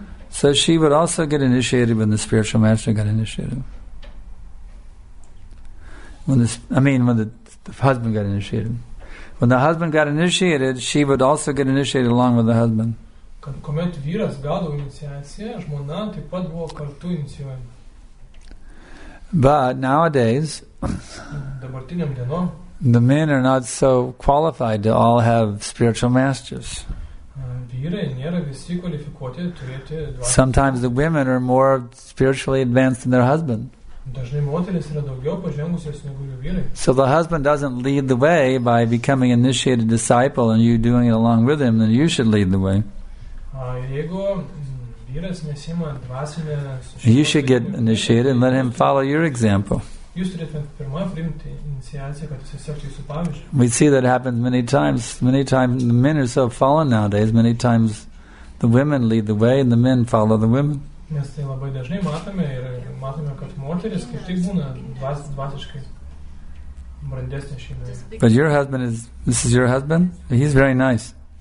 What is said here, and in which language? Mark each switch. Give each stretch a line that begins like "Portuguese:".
English: So she would also get initiated when the spiritual master got initiated. When the husband got initiated, she would also get initiated along with the husband.
Lithuanian: Kuomet vyras gavo iniciaciją, žmona taip pat buvo kartu inicijuojama.
English: But nowadays,
Lithuanian: dabartiniam dienom,
English: the men are not so qualified to all have spiritual masters.
Lithuanian: Vyrai nėra visi kvalifikuoti turėti dvasinį.
English: Sometimes the women are more spiritually advanced than their husband.
Lithuanian: Dažnai moteris yra daugiau pažengusios negu jų vyrai.
English: So the husband doesn't lead the way by becoming initiated disciple and you doing it along with him, then you should lead the way.
Lithuanian: Jeigu vyras nesima dvasinę,
English: you should get initiated and let him follow your example.
Lithuanian: Jūs turėtumėte pirmą priimti iniciaciją, kad jis sektų jūsų pavyzdžiu.
English: We see that happens many times. Many times the men are so fallen nowadays. Many times the women lead the way and the men follow the women.
Lithuanian: Mes tai labai dažnai matome ir matome, kad moteris kaip tik būna dvasiškai brandesnė šeimoje.
English: But your husband is, this is your husband? He's very nice.